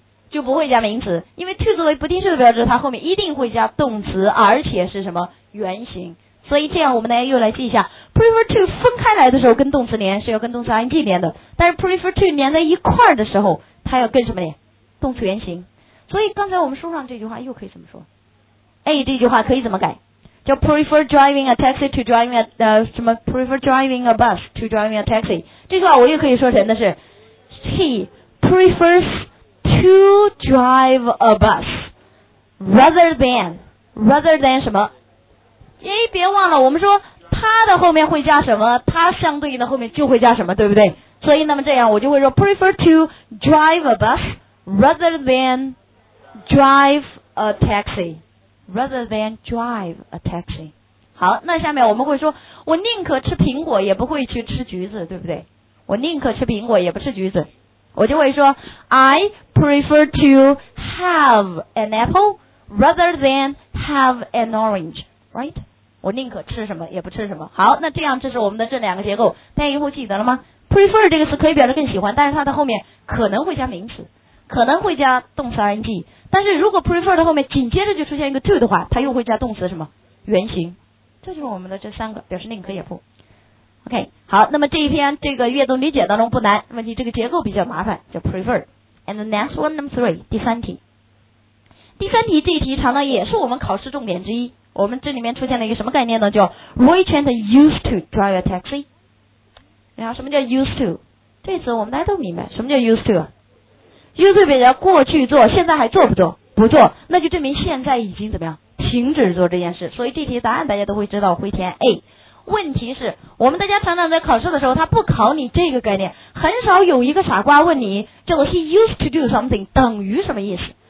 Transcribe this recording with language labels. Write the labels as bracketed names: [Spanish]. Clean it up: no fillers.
[Chinese] 就不会加名词，因为 to 作为不定式的标志，它后面一定会加动词，而且是什么原型。所以这样我们大家又来记一下， prefer to 分开来的时候跟动词连是要跟动词 ing 连的，但是 prefer to 连在一块的时候它要跟什么连？动词原型。所以刚才我们书上这句话又可以怎么说？ A 这句话可以怎么改？叫 [English] prefer driving a taxi to driving a [Chinese] 什么 [English] prefer driving a bus to driving a taxi， [Chinese] 这句话我也可以说成的是 [English] he prefers to drive a bus rather than 什么。 [Chinese] 哎，别忘了我们说他的后面会加什么，他相对应的后面就会加什么，对不对？所以那么这样我就会说 [English] prefer to drive a bus rather than drive a taxi rather than drive a taxi。 [Chinese] 好，那下面我们会说我宁可吃苹果也不会去吃橘子，对不对？我宁可吃苹果也不吃橘子，我就会说 [English] I prefer to have an apple rather than have an orange， right？ [Chinese] 我宁可吃什么也不吃什么。好，那这样这是我们的这两个结构，大家以后记得了吗？ prefer 这个词可以表示更喜欢，但是它的后面可能会加名词，可能会加动词 ing，但是如果 prefer 的后面紧接着就出现一个 to 的话，它又会加动词什么原型。这就是我们的这三个表示宁可也不。OK， 好，那么这一篇这个阅读理解当中不难，问题这个结构比较麻烦，叫 prefer。 [English] And the next one number three， [Chinese] 第三题这一题常常也是我们考试重点之一。我们这里面出现了一个什么概念呢？叫 [English] which and used to drive a taxi。 [Chinese] 然后什么叫 used to？ 这次我们大家都明白什么叫 used to 啊，used to 表示过去做，现在还做不做？不做，那就证明现在已经怎么样停止做这件事。所以这题答案大家都会知道，会填 A。问题是我们大家常常在考试的时候他不考你这个概念，很少有一个傻瓜问你叫做 [English] he used to do something [Chinese] 等于什么意思。